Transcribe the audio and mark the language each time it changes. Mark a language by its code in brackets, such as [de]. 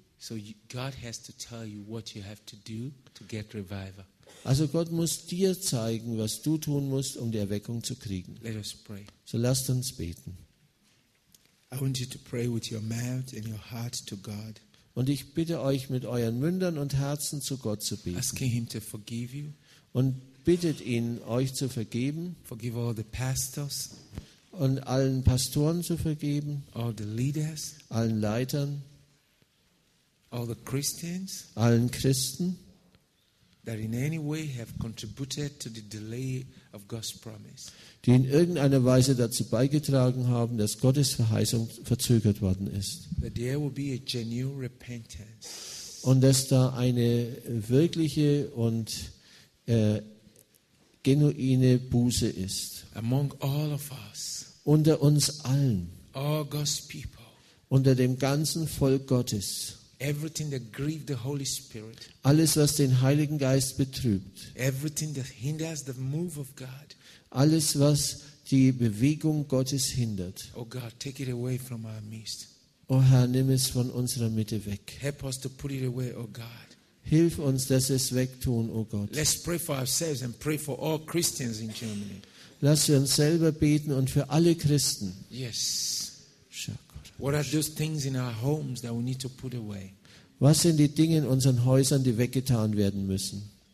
[en] So God has to tell you what you have to do to get revival. [de] Also Gott muss dir zeigen, was du tun musst, um die Erweckung zu kriegen. [en] Let us pray. [de] So lasst uns beten. [en] I want you to pray with your mouth and your heart to God. [de] Und ich bitte euch, mit euren Mündern und Herzen zu Gott zu beten. [en] Asking him to forgive you. [de] Und bittet ihn, euch zu vergeben. [en] Forgive all the pastors. [de] Und allen Pastoren zu vergeben, [en] all the leaders, [de] allen Leitern, [en] all the Christians, [de] allen Christen, [en] that in any way have contributed to the delay of God's promise, [de] die in irgendeiner Weise dazu beigetragen haben, dass Gottes Verheißung verzögert worden ist. [en] That there will be a genuine repentance. [de] Und dass da eine wirkliche und genuine Buße ist. [en] Among all of us. [de] Unter uns allen, [en] all God's people, [de] unter dem ganzen Volk Gottes, [en] everything that grieved the Holy Spirit, [de] alles, was den Heiligen Geist betrübt, [en] everything that hinders the move of God, [de] alles, was die Bewegung Gottes hindert. [en] Oh God, take it away from our midst. [de] O Herr, nimm es von unserer Mitte weg. [en] Help us to put it away, oh God. [de] Hilf uns, dass es wegtun, oh Gott. [en] Let's pray for ourselves and pray for all Christians in Germany. [de] Lass uns selber beten und für alle Christen. [en] Yes. What are those things in our homes that we need to put away? [de] Was sind die Dinge in unseren Häusern, die weggetan werden müssen?